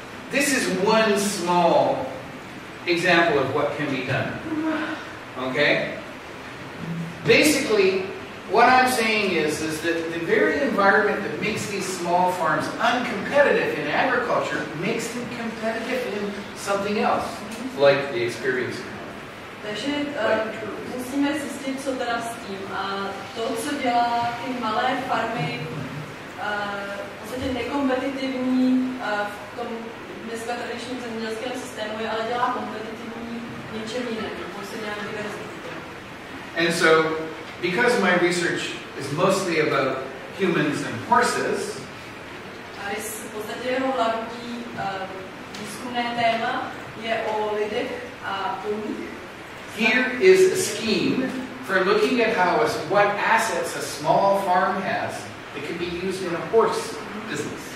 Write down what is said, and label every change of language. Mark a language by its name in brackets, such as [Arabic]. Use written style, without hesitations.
[English] This is one small example of what can be done. Okay? Basically, what I'm saying is that the very environment that makes these small farms uncompetitive in agriculture makes them competitive in something else, like the experience. [Czech] Takže musíme zjistit, co teda s tím. A to, co dělá ty malé farmy v podstatě nekompetitivní v tom dneska tradičním zemědělském systému, ale dělá kompetitivní něčem jiným, musí nějak diverzifikovat. [English] And so, because my research is mostly about humans and horses, [Czech] a v podstatě jeho hlavní výzkumné téma je o lidech a koních. [English] Here is a scheme for looking at what assets a small farm has that can be used in a horse business.